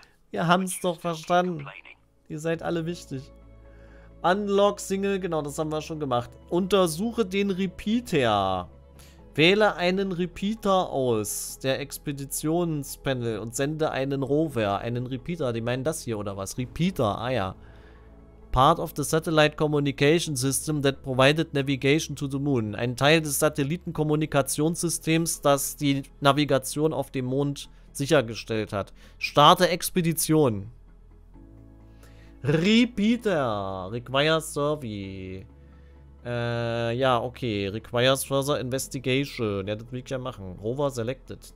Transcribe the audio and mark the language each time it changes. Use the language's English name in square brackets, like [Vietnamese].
[German] Wir haben es doch verstanden. Ihr seid alle wichtig. Unlock Single, genau, das haben wir schon gemacht. Untersuche den Repeater. Wähle einen Repeater aus der Expeditionspanel und sende einen Rover, einen Repeater. Die meinen das hier, oder was? Repeater, ah ja. [English] Part of the Satellite Communication System that provided navigation to the moon. [German] Ein Teil des Satellitenkommunikationssystems, das die Navigation auf dem Mond sichergestellt hat. Starte Expedition. Repeater. [English] Require survey. [German] Ja, okay. [English] Requires further investigation. [German] Ja, das will ich ja machen. [English] Rover selected.